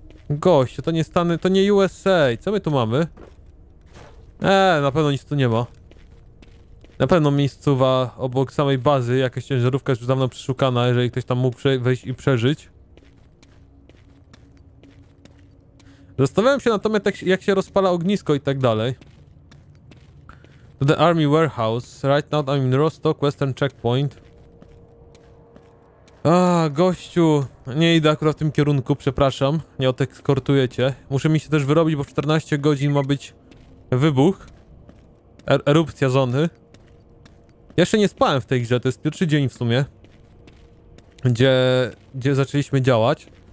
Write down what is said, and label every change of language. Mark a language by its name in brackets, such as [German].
[Polish] Gościu, to nie Stany, to nie USA. Co my tu mamy? Na pewno nic tu nie ma. Na pewno miejscowa obok samej bazy, jakaś ciężarówka jest już dawno przeszukana, jeżeli ktoś tam mógł wejść i przeżyć. Zastanawiam się natomiast, jak się rozpala ognisko i tak dalej. [English] To the Army Warehouse. Right now I'm in Rostock, Western Checkpoint. [Polish] Gościu, nie idę akurat w tym kierunku, przepraszam, nie odekskortuję cię. Muszę mi się też wyrobić, bo w 14 godzin ma być wybuch, erupcja zony. Jeszcze nie spałem w tej grze, to jest pierwszy dzień w sumie, gdzie zaczęliśmy działać.